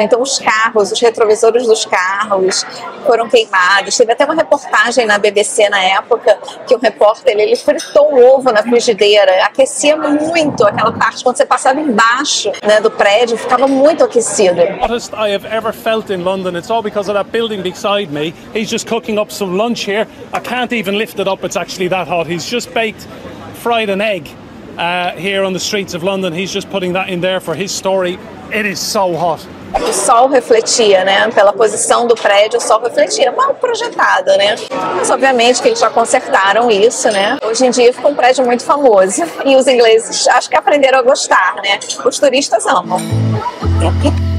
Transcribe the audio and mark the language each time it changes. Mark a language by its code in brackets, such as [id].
[pt] Então os carros, os retrovisores dos carros foram queimados. Teve até uma reportagem na BBC na época, que o repórter, ele fritou um ovo na frigideira, aquecia muito aquela parte, quando você passava embaixo, né, do prédio, ficava muito aquecido. [en] Ever felt in London, it's all because of that building beside me. He's just cooking up some lunch here. I can't even lift it up, it's actually that hot. He's just baked fried an egg here on the streets of London. He's just putting that in there for his story. It is so hot. [pt] O sol refletia, né? Pela posição do prédio, o sol refletia. Mal projetado, né? Mas obviamente que eles já consertaram isso, né? Hoje em dia ficou um prédio muito famoso. E os ingleses acho que aprenderam a gostar, né? Os turistas amam. [en] Thank you.